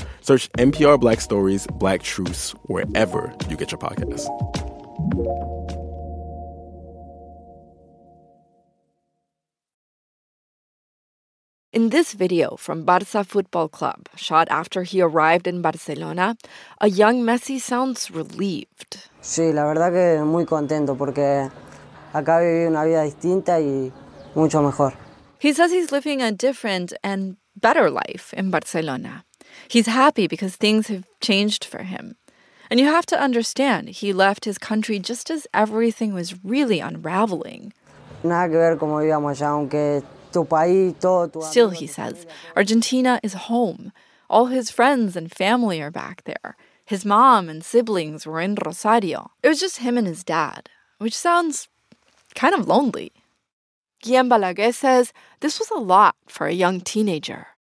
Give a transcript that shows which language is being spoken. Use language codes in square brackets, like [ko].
[en] Search NPR Black Stories, Black Truths wherever you get your podcasts. In this video from Barça Football Club, shot after he arrived in Barcelona, a young Messi sounds relieved. [es] Sí, la verdad que muy contento porque acá viví una vida distinta y mucho mejor. [en] He says he's living a different and better life in Barcelona. He's happy because things have changed for him. And you have to understand, he left his country just as everything was really unraveling. [es] Nada que ver como vivíamos allá, aunque tu país, todo tu... [en] Still, he says, Argentina is home. All his friends and family are back there. His mom and siblings were in Rosario. It was just him and his dad, which sounds kind of lonely. Guillem Balaguer says this was a lot for a young teenager.